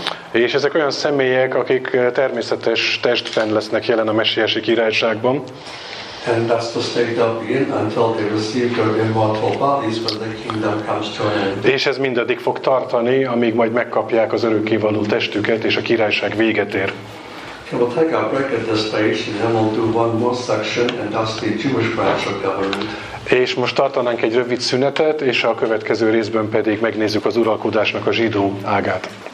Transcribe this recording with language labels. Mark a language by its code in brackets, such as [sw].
[hu] És ezek olyan személyek, akik természetes testben lesznek jelen a messiási királyságban. [en] And that's the state they'll be in until they receive their immortal bodies when the kingdom comes to an end. [hu] És ez mindaddig fog tartani, amíg majd megkapják az örökkévaló testüket, és a királyság véget ér. [en] Okay, we'll take our break at this stage, and then we'll do one more section, and that's the Jewish branch of government. [hu] És most tartanánk egy rövid szünetet, és a következő részben pedig megnézzük az uralkodásnak a zsidó ágát.